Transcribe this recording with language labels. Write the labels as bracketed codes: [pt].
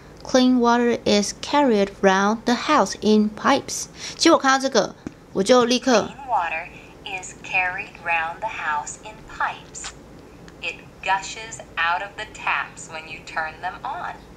[en] Clean water is carried round the house in pipes. [zh] 其实我看到这个，我就立刻。 [en] Clean water is carried round the house in pipes. It gushes out of the taps when you turn them on.